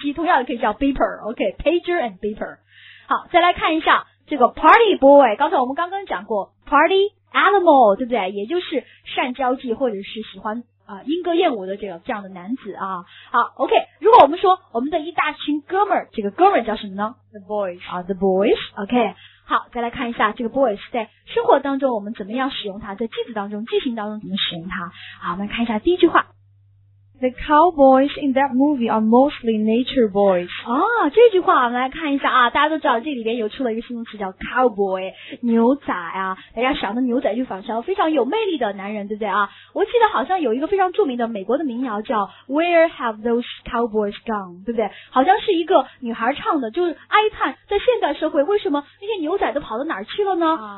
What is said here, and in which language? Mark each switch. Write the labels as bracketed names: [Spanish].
[Chinese] 机，同样也可以叫 beeper, OK, pager and beeper。好，再来看一下这个 party boy, 刚才我们刚刚讲过 party animal, 对不对，也就是善交际或者是喜欢莺歌燕舞的这样的男子啊。好 ,OK, 如果我们说我们的一大群哥们儿，这个哥们儿叫什么呢 [English] ?The boys. [Chinese] 啊 , [English] the boys,OK,、okay, [Chinese] 好，再来看一下这个 boys 在生活当中我们怎么样使用它，在句子当中句型当中怎么使用它。好，我们看一下第一句话。 [English] The cowboys in that movie are mostly nature boys. [Chinese] 啊，这句话我们来看一下啊，大家都知道这里边有出了一个新动词叫 cowboy, 牛仔啊，大家想的牛仔就仿效非常有魅力的男人，对不对啊？我记得好像有一个非常著名的美国的民谣叫 Where Have Those Cowboys Gone, 对不对？好像是一个女孩唱的，就是哀叹在现代社会为什么那些牛仔都跑到哪儿去了呢？